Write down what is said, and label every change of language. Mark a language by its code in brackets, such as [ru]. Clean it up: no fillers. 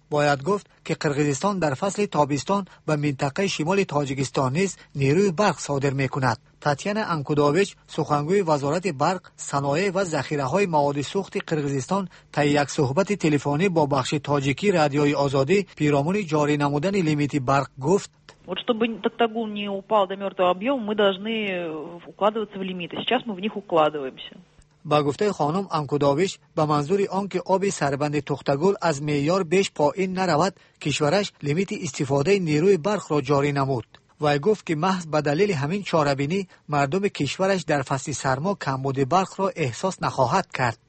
[fa] باید گفت که قرغیزستان در فصل تابستان به منطقه شمال تاجیکستان نیز نیروی برق صادر میکند. تاتیانا انکودوویچ سخنگوی وزارت برق، صنایع و ذخیره های مواد سوخت قرغیزستان تا یک صحبت تلفنی با بخش تاجیکی رادیوی آزادی پیرامون جاری نمودن لیمیت برق گفت: [ru] Вот чтобы тактагон не упал до мертвого объема, мы должны укладываться в лимиты. Сейчас мы в них укладываемся. [fa] با گفته خانم انکودوویچ به منظور آن که آب سربند تختگل از معیار بیش پایین نرود، کشورش لیمیت استفاده نیروی برق را جاری نمود. وی گفت که محض به دلیل همین چاره‌بینی مردم کشورش در فصل سرما کمبود برق را احساس نخواهد کرد.